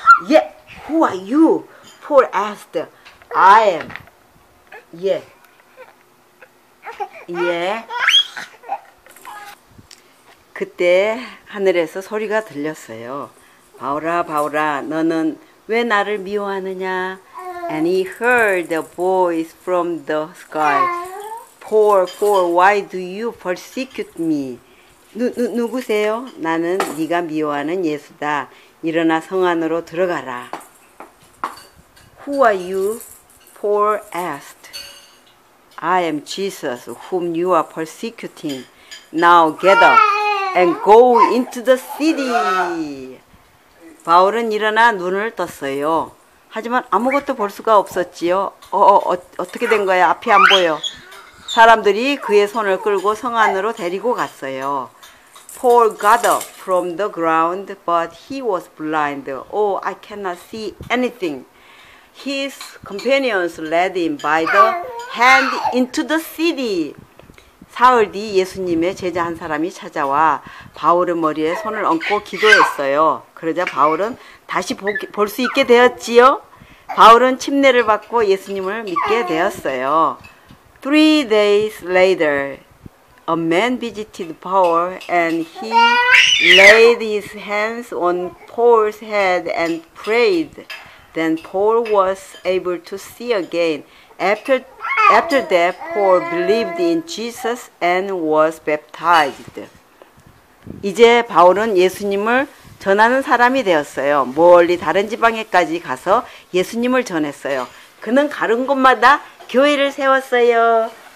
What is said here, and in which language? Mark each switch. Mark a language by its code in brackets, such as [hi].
[en] Yeah. Who are you? Paul asked. I am. Yeah. Yeah. [ko] 그때 하늘에서 소리가 들렸어요. 바울아, 바울아, 너는 왜 나를 미워하느냐? [en] And he heard a voice from the sky. Paul, Paul, why do you persecute me? [ko] 누구세요? 나는 네가 미워하는 예수다. 일어나 성 안으로 들어가라. [en] Who are you? Paul asked. I am Jesus, whom you are persecuting. Now get up and go into the city. [ko] 바울은 일어나 눈을 떴어요. 하지만 아무것도 볼 수가 없었지요. 어떻게 된 거야? 앞이 안 보여. 사람들이 그의 손을 끌고 성 안으로 데리고 갔어요. [en] Paul got up from the ground, but he was blind. Oh, I cannot see anything. His companions led him by the hand into the city. [ko] 사흘 뒤 예수님의 제자 한 사람이 찾아와 바울의 머리에 손을 얹고 기도했어요. 그러자 바울은 다시 볼 수 있게 되었지요. 바울은 침례를 받고 예수님을 믿게 되었어요. [en] Three days later, a man visited Paul and he laid his hands on Paul's head and prayed. Then Paul was able to see again. After that, Paul believed in Jesus and was baptized. [ko] 이제 바울은 예수님을 전하는 사람이 되었어요. 멀리 다른 지방에까지 가서 예수님을 전했어요. 그는 가는 곳마다 교회를 세웠어요.